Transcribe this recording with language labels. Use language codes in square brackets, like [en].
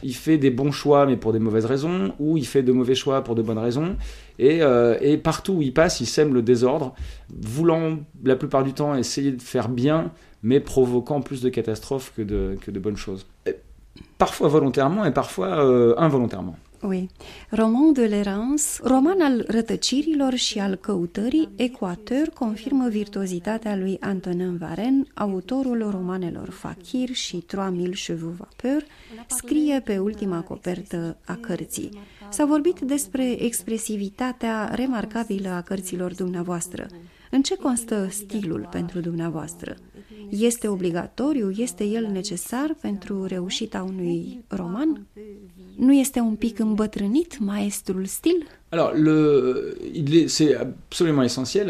[fr] Il fait des bons choix, mais pour des mauvaises raisons, ou il fait de mauvais choix pour de bonnes raisons. Et partout où il passe, il sème le désordre, voulant la plupart du temps essayer de faire bien, mais provoquant plus de catastrophes que de bonnes choses. Et parfois volontairement et parfois involontairement. Oui. Roman de l'errance, [ro] roman al rătăcirilor și al căutării, Ecuateur confirmă virtuozitatea lui Antonin Varenne, autorul romanelor Fakir și 3000 chevaux vapeur, scrie pe ultima copertă a cărții. S-a vorbit despre expresivitatea remarcabilă a cărților dumneavoastră. În ce constă stilul pentru dumneavoastră? Este obligatoriu? Este el necesar pentru reușita unui roman? Nu este un pic îmbătrânit maestrul stil? [fr] Alors le il est c'est absolument essentiel.